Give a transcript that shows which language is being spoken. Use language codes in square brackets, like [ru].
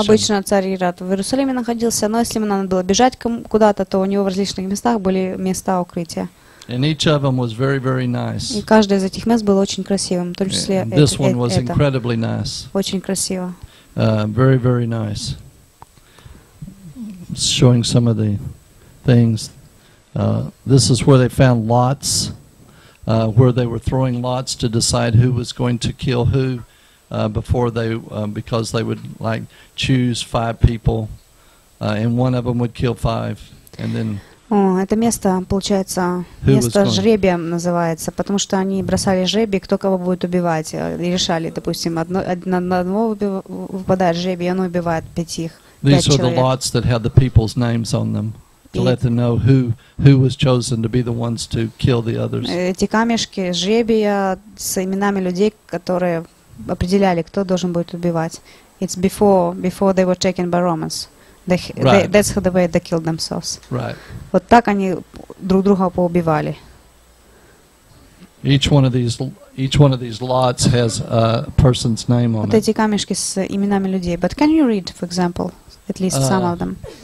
[ru] Обычно царь Ирод в Иерусалиме находился, но если ему надо было бежать куда-то, то у него в различных местах были места укрытия. [en] And each of them was very, very nice. [ru] И каждое из этих мест было очень красивым, в том числе [en] это. This one was incredibly nice. [ru] Очень красиво. [en] Very, very nice. Showing some of the things. This is where they found lots. Where they were throwing lots to decide who was going to kill who before they because they would like choose five people and one of them would kill five and then [ru] это место получается место жребия называется потому что они бросали жребий кто кого будет убивать и решали допустим одного выпадает жребий он убивает пятих [en] these were the lots that had the people's names on them to let them know who was chosen to be the ones to kill the others. [ru] Эти камешки, жребия с именами людей, которые определяли, кто должен будет убивать. [en] It's before they were taken by Romans. That's how the way they killed themselves. Right. [ru] Вот так они друг друга поубивали. [en] Each one of these lots has a person's name on it. [ru] Вот эти камешки с именами людей. [en] But can you read, for example, at least some of them?